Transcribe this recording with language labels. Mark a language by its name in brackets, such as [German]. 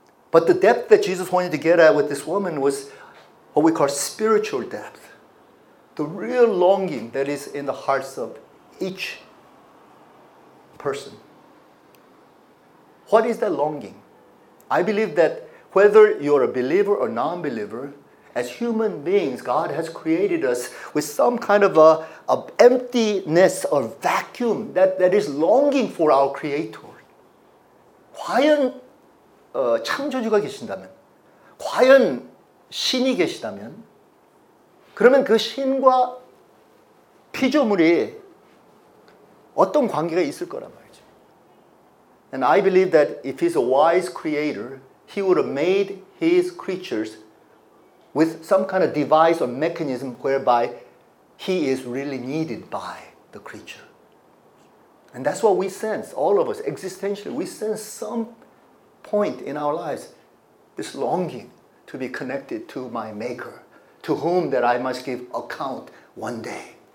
[English] But the depth that Jesus wanted to get at with this woman was what we call spiritual depth, the real longing that is in the hearts of each person. What is that longing? I believe that whether you're a believer or non-believer, as human beings, God has created us with some kind of a emptiness or vacuum that is longing for our Creator. [Korean] 과연 창조주가 계신다면, 과연 신이 계시다면, 그러면 그 신과 피조물이 어떤 관계가 있을 거란 말이죠. [English] And I believe that if he's a wise creator, he would have made his creatures with some kind of device or mechanism whereby he is really needed by the creature. And that's what we sense, all of us, existentially. We sense some point in our lives, this longing to be connected to my maker, to whom that I must give account one day.